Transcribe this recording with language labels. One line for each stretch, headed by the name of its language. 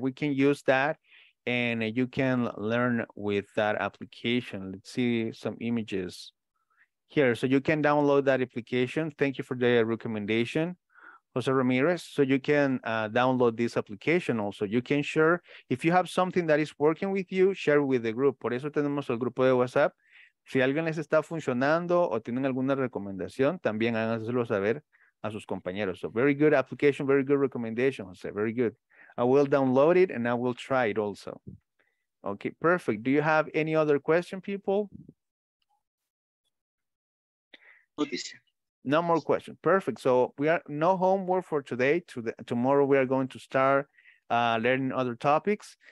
English: We can use that and you can learn with that application. Let's see some images here. So you can download that application. Thank you for the recommendation, Jose Ramirez. So you can download this application also. You can share, if you have something that is working with you, share with the group.
Spanish: Por eso tenemos el grupo de WhatsApp. Si alguien les está funcionando o tienen alguna recomendación, también háganselo saber a sus compañeros.
English: So very good application, very good recommendation, Jose, very good. I will download it and I will try it also. Okay, perfect. Do you have any other question, people? No more questions. Perfect. So we are no homework for today. Tomorrow we are going to start learning other topics.